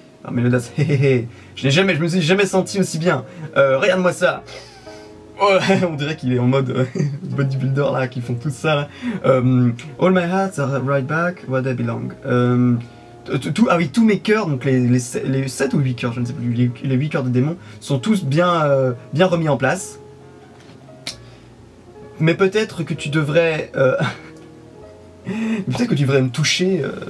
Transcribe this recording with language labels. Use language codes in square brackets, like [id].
[fr] Alors, Meliodas, je me suis jamais senti aussi bien. Regarde-moi ça. Oh, on dirait qu'il est en mode bodybuilder là, qu'ils font tout ça. [en] All my hearts are right back where they belong. [fr] Tous mes cœurs, donc les 7 ou 8 cœurs, je ne sais plus, les 8 cœurs de démons, sont tous bien remis en place. Mais peut-être que tu devrais... peut-être que tu devrais me toucher...